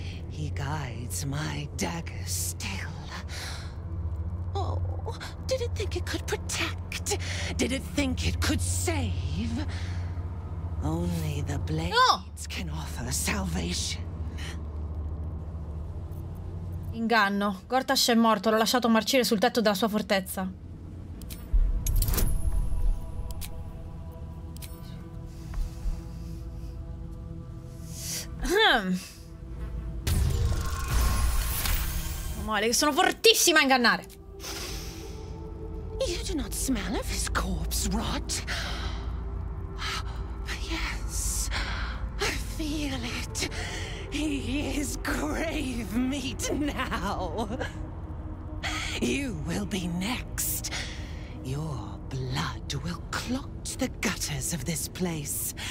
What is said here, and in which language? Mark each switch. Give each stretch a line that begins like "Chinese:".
English: He guides my dagger still. Oh, did it think it could protect? Did it think it could save? Only the blades can offer salvation.
Italian: Inganno. Gortash è morto. L'ho lasciato marcire sul tetto della sua fortezza. Male, che sono fortissima a ingannare.
English: You do not smell of his corpse rot. Yes, I feel it. He is grave meat now. You will be next. Your blood will clot the gutters of this place.